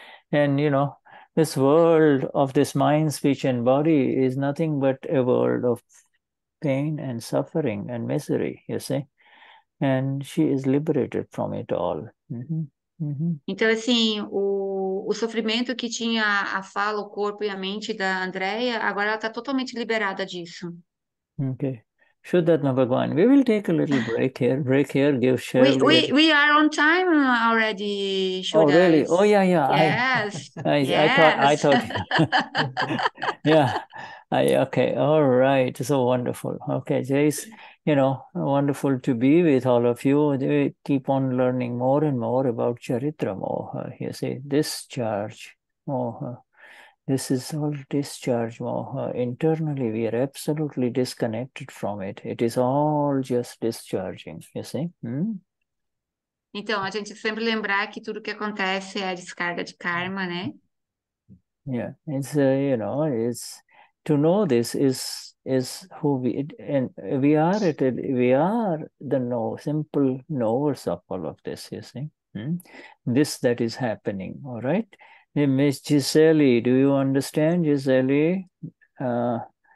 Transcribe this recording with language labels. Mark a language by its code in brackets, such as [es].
[en] And this world of this mind, speech, and body is nothing but a world of pain and suffering and misery, you see, and she is liberated from it all. [pt] Então, assim, o sofrimento que tinha a fala, o corpo e a mente da Andrea, agora ela está totalmente liberada disso. [en] Okay, Shuddhatma Bhagwan, we will take a little break here, share a little. We are on time already, Oh, really? Oh, Shuddhas. yeah. I thought, yeah. Okay, all right, so wonderful. Okay, Jace, wonderful to be with all of you. They keep on learning more and more about charitra moha. You see, discharge moha. This is all discharge moha. Internally, we are absolutely disconnected from it. It is all just discharging, you see. [pt] Então, a gente sempre lembrar que tudo que acontece é a descarga de karma, né? [en] Yeah, it's. To know this is who we, and we are the know, simple knowers of all of this, you see. This that is happening, all right? Miss Giselle, do you understand, Giselle?